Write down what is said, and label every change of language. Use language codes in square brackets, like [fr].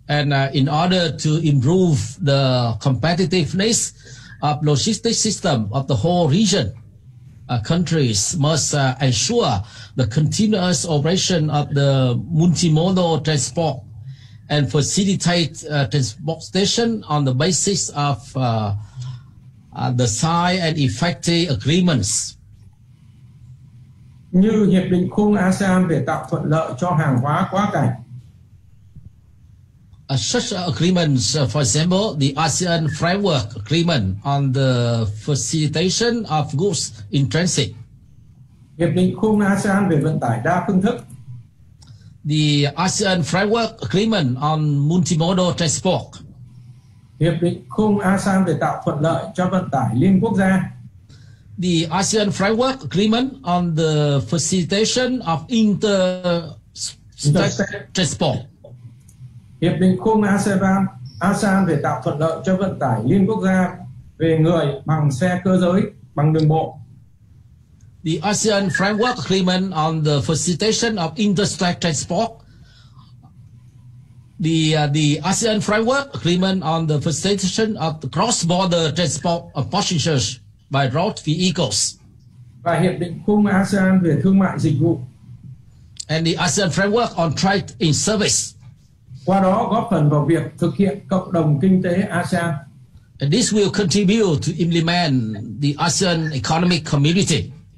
[en] And in order to improve the competitiveness of logistics system of the whole region, countries must ensure the continuous operation of the multimodal transport and facilitate transport station on the basis of the size and effective agreements. [vi] Như hiệp định khung ASEAN để tạo thuận lợi cho hàng hóa quá cảnh. [en] Such agreements, for example, the ASEAN Framework Agreement on the Facilitation of Goods in Transit. [vi] Hiệp định khung ASEAN về vận tải đa phương thức. [en] the ASEAN Framework Agreement on Multimodal Transport. [vi] Hiệp định khung ASEAN về tạo thuận lợi cho vận tải liên quốc gia. [en] The ASEAN Framework Agreement on the Facilitation of Inter-Transport. [vi] Hiệp định khung ASEAN về tạo thuận lợi cho vận tải liên quốc gia về người bằng xe cơ giới, bằng đường bộ. [en] The ASEAN Framework Agreement on the Facilitation of Interstate Transport. The ASEAN Framework Agreement on the Facilitation of the Cross-Border Transport of Passengers by Road Vehicles. [vi] Và Hiệp định khung ASEAN về thương mại dịch vụ. [en] And the ASEAN Framework on Trade in Service. [vi] Qua đó góp phần vào việc thực hiện cộng đồng kinh tế ASEAN. [en] And this will contribute to implement the ASEAN Economic Community.